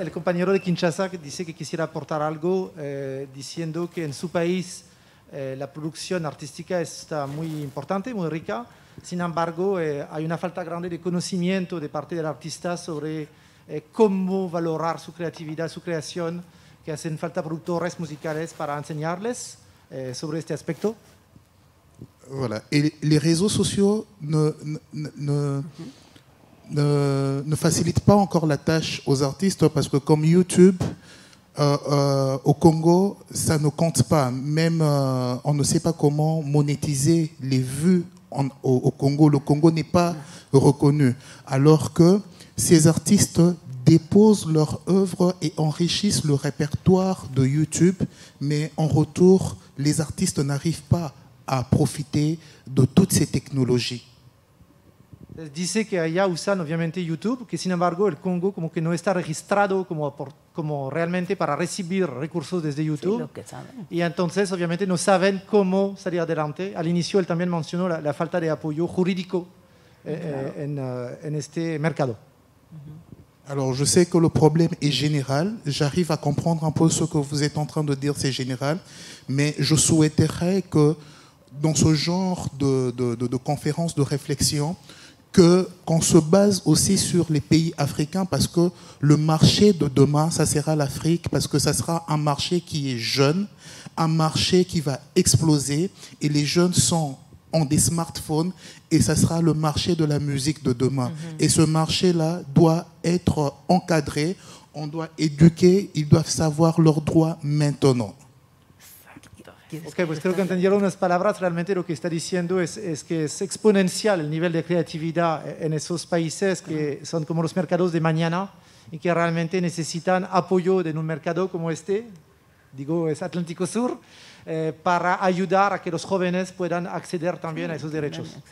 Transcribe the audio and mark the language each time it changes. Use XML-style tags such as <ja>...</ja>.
<es>El compañero de Kinshasa dice que quisiera aportar algo diciendo que en su país la producción artística está muy importante, muy rica. Sin embargo, hay una falta grande de conocimiento de parte del artista sobre cómo valorar su creatividad, su creación, que hacen falta productores musicales para enseñarles sobre este aspecto.</es> <fr>Voilà.</fr> <es>Y los</es> <fr>réseaux sociaux ne facilite pas encore la tâche aux artistes parce que comme YouTube au Congo ça ne compte pas, même on ne sait pas comment monétiser les vues au Congo. Le Congo n'est pas reconnu alors que ces artistes déposent leur œuvre et enrichissent le répertoire de YouTube, mais en retour les artistes n'arrivent pas à profiter de toutes ces technologies.</fr> <es>Dice que allá usan obviamente YouTube, que sin embargo el Congo como que no está registrado como realmente para recibir recursos desde YouTube. Sí, lo que saben. Y entonces obviamente no saben cómo salir adelante. Al inicio él también mencionó la falta de apoyo jurídico en este mercado.</es> <fr>Alors je sais que le problème est général, j'arrive à comprendre un peu ce que vous êtes en train de dire, c'est général, mais je souhaiterais que dans ce genre de conférences, de réflexion, qu'on se base aussi sur les pays africains, parce que le marché de demain, ça sera l'Afrique, parce que ça sera un marché qui est jeune, un marché qui va exploser, et les jeunes ont des smartphones, et ça sera le marché de la musique de demain. Mm-hmm. Et ce marché-là doit être encadré, on doit éduquer, ils doivent savoir leurs droits maintenant.</fr> <es>Ok, pues creo que entendieron unas palabras. Realmente lo que está diciendo es que es exponencial el nivel de creatividad en esos países que son como los mercados de mañana y que realmente necesitan apoyo en un mercado como este, digo, es Atlántico Sur, para ayudar a que los jóvenes puedan acceder también a esos derechos.</es>